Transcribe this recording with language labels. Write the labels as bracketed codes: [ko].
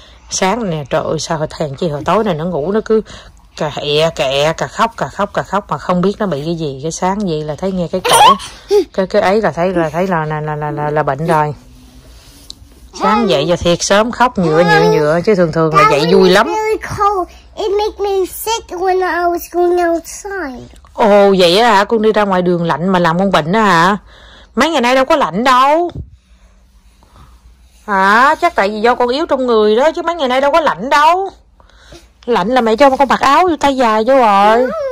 [vi] Sáng này nè, trời ơi, sao hồi thèn chi. Hồi tối này nó ngủ, nó cứ cà hẹ, cà khóc. Mà không biết nó bị cái gì. Cái sáng gì là thấy nghe cái cổ. Cái ấy là thấy là bệnh rồi. Sáng dậy giờ thiệt sớm khóc nhựa chứ thường thường là dậy vui lắm. [en] Really cold. It made me sick when I was going outside. [vi] Ồ, vậy á hả? Con đi ra ngoài đường lạnh mà làm con bệnh á hả? Mấy ngày nay đâu có lạnh đâu. Hả? Chắc tại vì do con yếu trong người đó, chứ mấy ngày nay đâu có lạnh đâu. Lạnh là mẹ cho con mặc áo vô tay dài vô rồi.